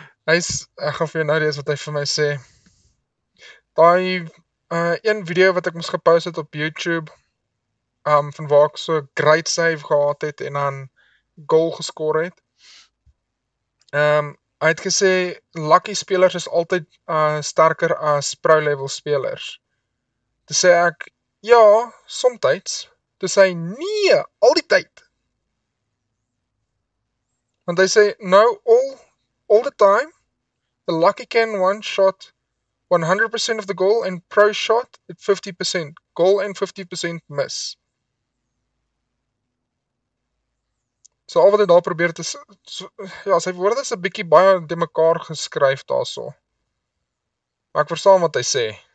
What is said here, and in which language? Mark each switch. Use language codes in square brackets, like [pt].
[af] Hy's, ek gaan vir jou nou lees wat hy vir my sê. Daai een video wat ek mos gepost het op YouTube, van waar ek so great save gehad het en dan goal geskor het. Hy het gesê, lucky spelers is altyd sterker as pro level spelers. Toe sê ek, ja, somtyds. Toe sê hy, nee, al die tyd. Want hy sê, [en] no, all the time, the lucky can one shot 100% of the goal and pro shot at 50%. Goal and 50% miss. [af] So al wat hy daar probeer te, so, ja, sy woord is 'n bietjie baie de mekaar geskryf daarso. Maar ek verstaan wat hy sê.